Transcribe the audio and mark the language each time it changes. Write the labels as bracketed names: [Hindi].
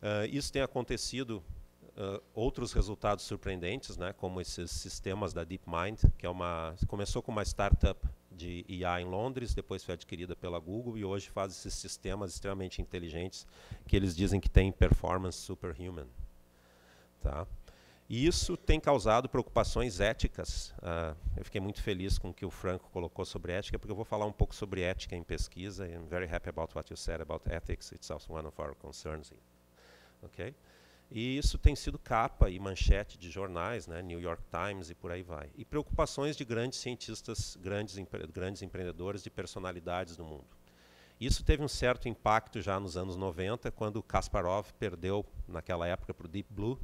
[Portuguese] Isso tem acontecido, outros resultados surpreendentes, né, como esses sistemas da DeepMind, que começou com uma startup de IA em Londres, depois foi adquirida pela Google, e hoje faz esses sistemas extremamente inteligentes, que eles dizem que têm performance superhuman. Tá? E isso tem causado preocupações éticas. Eu fiquei muito feliz com o que o Franco colocou sobre ética, porque eu vou falar um pouco sobre ética em pesquisa. [English] I'm very happy about what you said about ethics. It's also one of our concerns. Okay? [Portuguese] E isso tem sido capa e manchete de jornais, né, New York Times e por aí vai. E preocupações de grandes cientistas, grandes empreendedores e personalidades do mundo. Isso teve um certo impacto já nos anos 90, quando Kasparov perdeu, naquela época, para o Deep Blue.